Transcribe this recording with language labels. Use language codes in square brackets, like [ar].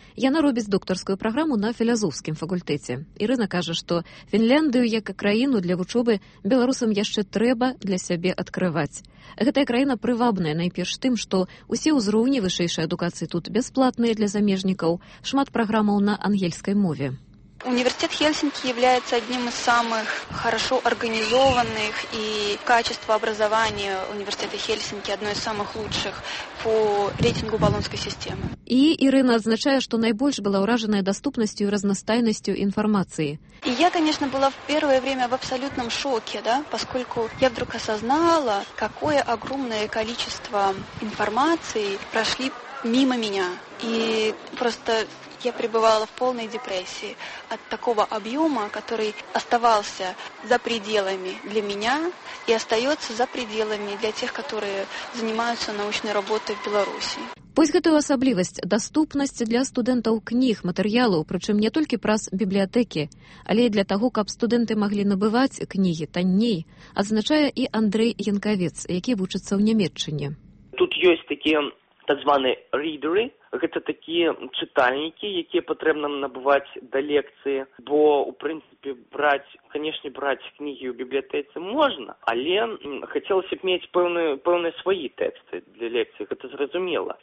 [be] Яна робіць доктарскую праграму на філазофскім факультэце. Ірына кажа, што Фінляндыю як краіну для вучобы беларусам яшчэ трэба для сябе адкрываць. Гэтая краіна прывабная найперш тым, што ўсе ўзроўні вышэйшай адукацыі тут бясплатныя для замежнікаў, шмат праграмаў на ангельскай мове. [ru] Университет Хельсинки является одним из самых хорошо организованных, и качество образования университета Хельсинки одно из самых лучших по рейтингу Болонской системы. И Ирина отмечает, что наибольш была уражена доступностью и разностайностью информации. И я, конечно, была в первое время в абсолютном шоке, да, поскольку я вдруг осознала, какое огромное количество информации прошли мимо меня. И просто я пребывала в полной депрессии от такого объема, который оставался за пределами для меня и остается за пределами для тех, которые занимаются научной работой в Беларуси. [be] Пусть гэтую асаблівасць даступнасць для студэнтаў кніг, матэрыялаў, прычым не толькі праз бібліятэкі, але і для таго, каб студэнты маглі набываць кнігі танней, адзначае і Андрэй Янкавец, які вучыцца ў Нямецчыне. Тут ёсць такія так званыя рідары, гэта такія чытальнікі, якія патрэбна набываць да лекцыі, бо ў прынцыпе браць, канешне, браць кнігі ў бібліятэцы можна, але хацелася б мець пэўныя свае тэксты для лекцыі, гэта зразумела.